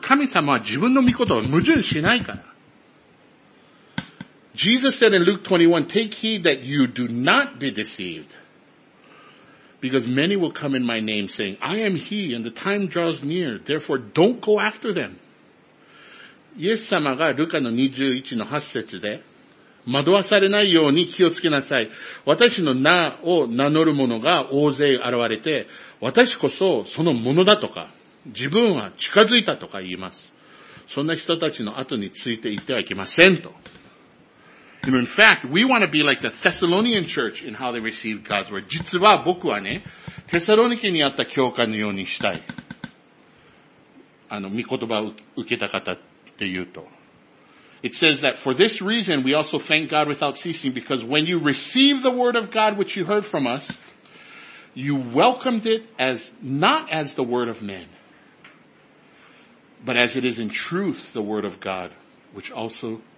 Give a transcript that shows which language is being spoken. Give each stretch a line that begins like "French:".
Japanese: 神様は自分の御言葉を矛盾しないから。
English: Jesus said in Luke 21, Take heed that you do not be deceived. Because many will come in my name saying, I am he, and the time draws near. Therefore, don't go after them.
Japanese: イエス様がルカの21の8節で、惑わされないように気をつけなさい。私の名を名乗る者が大勢現れて、私こそその者だとか、自分は近づいたとか言います。そんな人たちの後について言ってはいけませんと。
English: You know, in fact, we want to be like the Thessalonian church in how they received God's word.
Japanese: 実は僕はね、テサロニケにあった教会のようにしたい。御言葉を受けた方って言うと。
English: It says that for this reason we also thank God without ceasing because when you receive the word of God which you heard from us, you welcomed it as not as the word of men. But as it is in truth, the word of God, which also